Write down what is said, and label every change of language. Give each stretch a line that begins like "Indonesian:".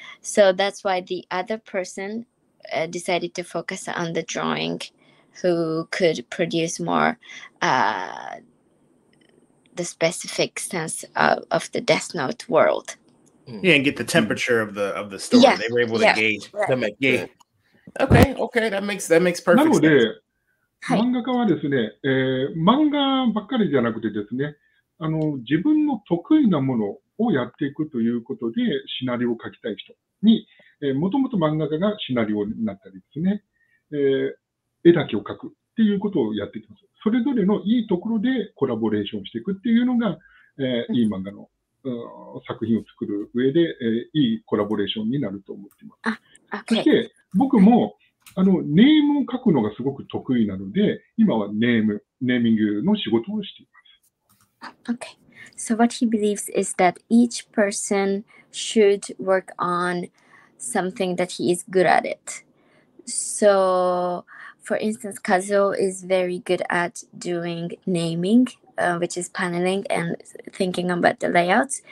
English: So that's why the other person decided to focus on the drawing who could produce more the specific sense of the Death Note world. Yeah, and get the temperature of the story. Yeah. They were able to gauge. Okay, that makes perfect
Japanese: sense. なので、漫画家はですね、漫画ばっかりじゃなくてですね、自分の得意なものをやっていくということで、シナリオを書きたい人に、もともと漫画家がシナリオになったりですね、絵だけを描くっていうことをやっていきます。それぞれのいいところでコラボレーションしていくっていうのが、いい漫画の、作品を作る上で、いいコラボレーションになると思っています。そして、僕も、ネームを書くのがすごく得意なので、今はネーミングの仕事をしています。
English: Okay, so what he believes is that each person should work on something that he is good at it. So, for instance, Kazuo is very good at doing naming, which is paneling and thinking about the layouts.